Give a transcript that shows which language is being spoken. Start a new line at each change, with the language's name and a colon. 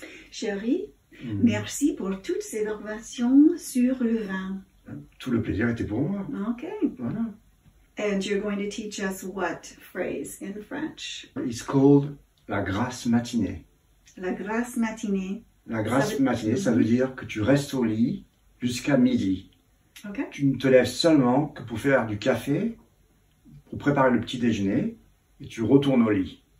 French: Chérie, mm-hmm, merci pour toutes ces informations sur le vin. Tout le plaisir était pour moi.
English: Okay.
French: Voilà.
English: And you're going to teach us what phrase in French? It's called la grasse matinée.
French: La grasse matinée. La grasse matinée, ça veut dire que tu restes au lit jusqu'à midi.
English: Okay.
French: Tu ne te lèves seulement que pour faire du café, pour préparer le petit déjeuner, et tu retournes au lit.